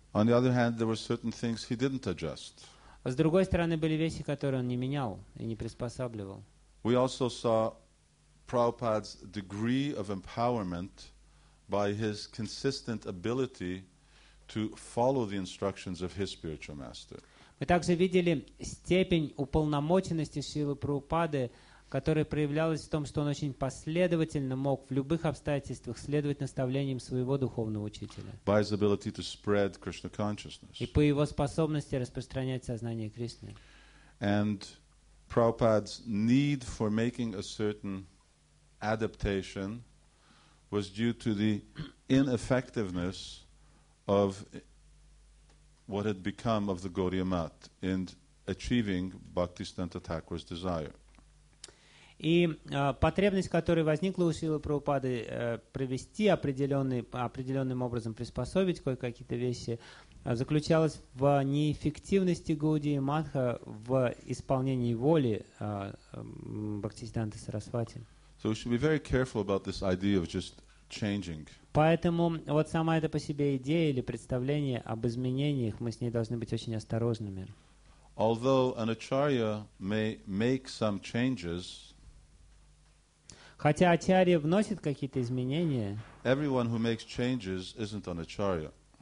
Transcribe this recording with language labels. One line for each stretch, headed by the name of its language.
English: On the other hand, there were certain things he didn't adjust.
Russian: С другой стороны, были вещи, которые он не менял и не приспосабливал.
English: We also saw Prabhupada's degree of empowerment by his consistent ability to follow the instructions of his spiritual master.
Russian: Мы также видели степень уполномоченности Силы Прабхупады, которая проявлялась в том, что он очень последовательно мог в любых обстоятельствах следовать наставлениям своего духовного учителя.
English: By his ability to spread Krishna consciousness.
Russian: И по его способности распространять сознание Кришны.
English: And Prabhupada's need for making a certain adaptation was due to the ineffectiveness of what had become of the Gaudiya Mat in achieving Bhaktisiddhanta Thakura's desire.
Russian: И потребность, которая возникла у Шрилы Прабхупады, провести определенным образом, приспособить кое-какие-то вещи, заключалась в неэффективности Гаудии Матха в исполнении воли Бхактисиддханты Сарасвати.
English: So we should be very careful about this idea of just changing.
Russian: Поэтому вот сама эта по себе идея или представление об изменениях, мы с ней должны быть очень осторожными.
English: Although an acharya may make some changes,
Russian: хотя ачарья вносит какие-то изменения,
English: everyone who makes changes isn't an acharya.